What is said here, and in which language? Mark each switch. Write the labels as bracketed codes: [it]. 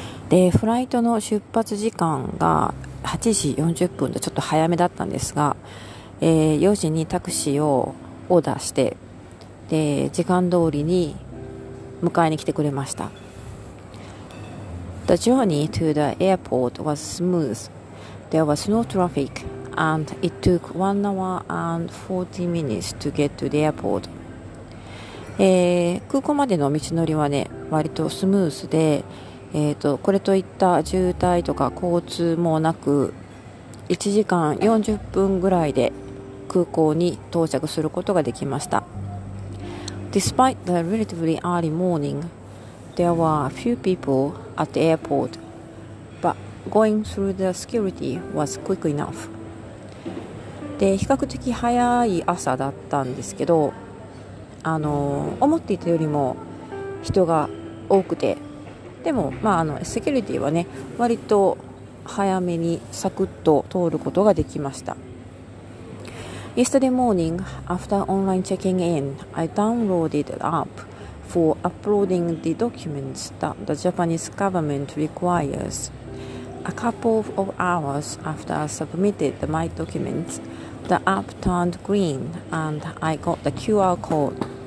[ja] で、フライトの出発時間が8時40分でちょっと早めだったんですが、4時にタクシーをオーダーして、で、時間通りに迎えに来てくれました。 [en] The journey to the airport was smooth. There was no trafficAnd it took 1 hour and 40 minutes to get to the airport. [ja] 空港までの道のりはね、割とスムースで、これといった渋滞とか交通もなく、1時間40分ぐらいで空港に到着することができました。 [en] Despite the relatively early morning, there were a few people at the airport, but going through the security was quick enough. [ja] で、比較的早い朝だったんですけど、思っていたよりも人が多くて、でも、セキュリティはね、割と早めにサクッと通ることができました。 [en] Yesterday morning, after online checking in, I downloaded an app for uploading the documents that the Japanese government requires. A couple of hours after I submitted my documents,The app turned green and I got the QR code.